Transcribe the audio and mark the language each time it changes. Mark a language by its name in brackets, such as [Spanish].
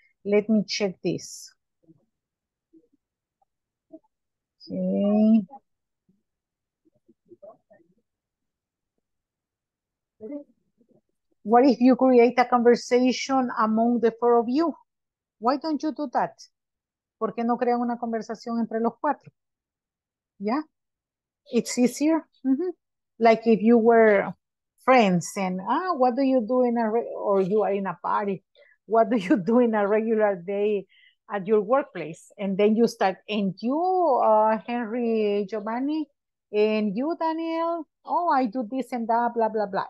[English] Let me check this. Okay. What if you create a conversation among the four of you? Why don't you do that? [Spanish] ¿Por qué no crean una conversación entre los cuatro? [English] Yeah? It's easier. Mm-hmm. Like if you were friends and, what do you do in a, or you are in a party. What do you do in a regular day at your workplace? And then you start, and you, Henry, Giovanni, and you, Daniel, oh, I do this and that, blah, blah, blah.